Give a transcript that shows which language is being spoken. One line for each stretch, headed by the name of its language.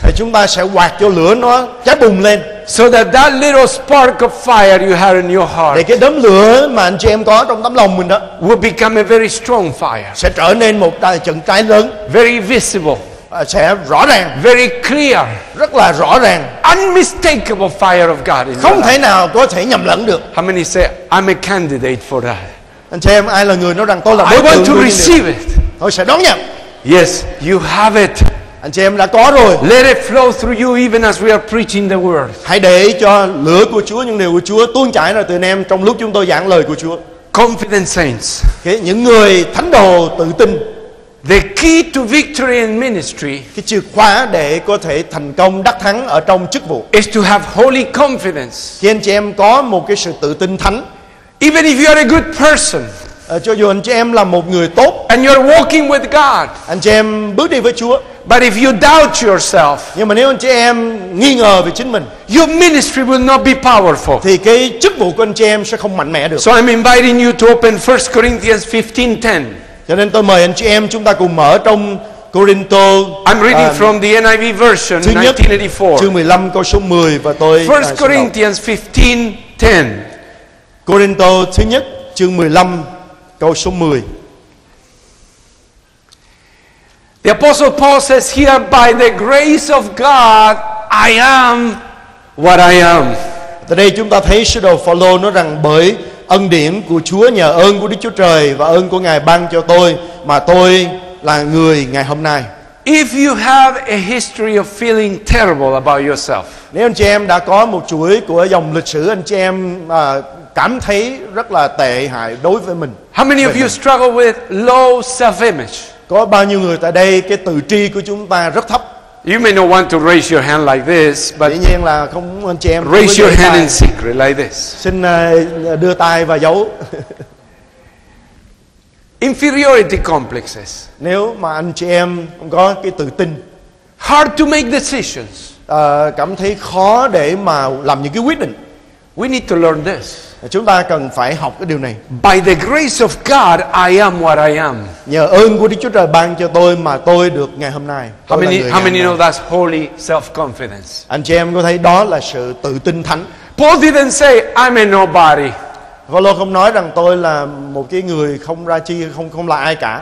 Vietnamese: Thì chúng ta sẽ quạt cho lửa nó cháy bùng lên.
English: So that little spark of fire you have in your heart.
Vietnamese: Để cái đấm lửa mà anh chị em có trong tấm lòng mình đó.
English: Will become a very strong fire.
Vietnamese: Sẽ trở nên một trận cháy lớn.
English: Very visible.
Vietnamese: Sẽ rõ ràng.
English: Very clear.
Vietnamese: Rất là rõ ràng.
English: Unmistakable fire of God.
Vietnamese: Không thể nào có thể nhầm lẫn được.
English: How many say I'm a candidate for that?
Vietnamese: Anh chị em ai là người nói rằng tôi là đối tượng
English: to receive it.
Vietnamese: Tôi sẽ đón nhận.
English: Yes, you have it.
Vietnamese: Anh chị em đã có rồi.
English: Let it flow through you even as we are preaching the word.
Vietnamese: Hãy để cho lửa của Chúa, những điều của Chúa tuôn chảy ra từ anh em trong lúc chúng tôi giảng lời của Chúa.
English: Confident saints.
Vietnamese: Những người thánh đồ tự tin.
English: The key to victory in ministry.
Vietnamese: Cái chìa khóa để có thể thành công đắc thắng ở trong chức vụ.
English: Is to have holy confidence.
Vietnamese: Khi anh chị em có một cái sự tự tin thánh.
English: Even if you are a good person,
Vietnamese: cho dù anh chị em là một người tốt,
English: and you are walking with God,
Vietnamese: anh chị em bước đi với Chúa,
English: but if you doubt yourself,
Vietnamese: nhưng mà nếu anh chị em nghi ngờ về chính mình,
English: your ministry will not be powerful.
Vietnamese: Thì cái chức vụ của anh chị em sẽ không mạnh mẽ được.
English: So I'm inviting you to open 1 Corinthians 15:10.
Vietnamese: Cho nên tôi mời anh chị em chúng ta cùng mở trong Corinto.
English: I'm reading from the NIV version 1984.
Vietnamese: Chương 15 câu số 10 và tôi.
English: 1 Corinthians 15:10.
Vietnamese: Corinto thứ nhất chương 15 câu số 10.
English: The apostle Paul says here by the grace of God I am what I am.
Vietnamese: Tại đây chúng ta thấy sứ đồ Phaolô nói rằng bởi ân điển của Chúa, nhờ ơn của Đức Chúa Trời và ơn của Ngài ban cho tôi mà tôi là người ngày hôm nay.
English: If you have a history of feeling terrible about yourself.
Vietnamese: Nếu anh chị em đã có một chuỗi của dòng lịch sử anh chị em cảm thấy rất là tệ hại đối với mình.
English: How many of you struggle with low self-image?
Vietnamese: Có bao nhiêu người tại đây cái tự tri của chúng ta rất thấp?
English: You may not want to raise your hand like this, but
Vietnamese: dĩ nhiên là không muốn anh chị em
English: raise your hand in secret like this.
Vietnamese: Xin đưa tay và giấu.
English: Inferiority complexes.
Vietnamese: Nếu mà anh chị em không có cái tự tin,
English: hard to make decisions.
Vietnamese: Cảm thấy khó để mà làm những cái quyết định.
English: We need to learn this.
Vietnamese: Chúng ta cần phải học cái điều này.
English: By the grace of God, I am what I am.
Vietnamese: Nhờ ơn của Đức Chúa Trời ban cho tôi mà tôi được ngày hôm nay.
English: How many know that's holy self-confidence?
Vietnamese: Anh chị em có thấy đó là sự tự tin thánh.
English: Paul didn't say I'm a nobody.
Vietnamese: Và Lô không nói rằng tôi là một cái người không ra chi, không là ai cả.